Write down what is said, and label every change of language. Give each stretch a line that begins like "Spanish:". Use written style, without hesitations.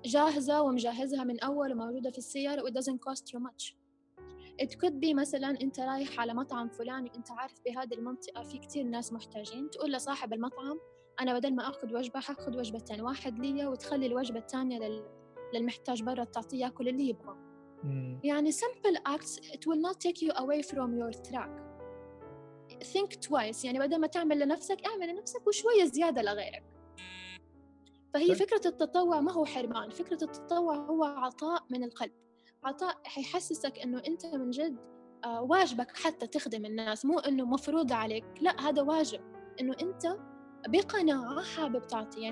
Arabic: جاهزة ومجهزها من أول وموجودة في السيارة.
English: It doesn't cost you much. it could be
Arabic: مثلا انت رايح على مطعم فلاني انت عارف بهذه المنطقة في كتير ناس محتاجين، تقول لصاحب المطعم انا بدل ما اخذ وجبة هاخذ وجبتين، واحد لي وتخلي الوجبة الثانية للمحتاج برا تعطيه كل اللي يبغى. يعني
English: simple acts it will not take you away from your track. Think twice،
Arabic: يعني بدل ما تعمل لنفسك اعمل لنفسك وشوية زيادة لغيرك. فهي فكرة التطوع ما هو حرمان، فكرة التطوع هو عطاء من القلب، عطاء حيحسسك انه انت من جد واجبك حتى تخدم الناس، مو انه مفروض عليك، لا هذا واجب انه انت بقناعة حابب تعطي.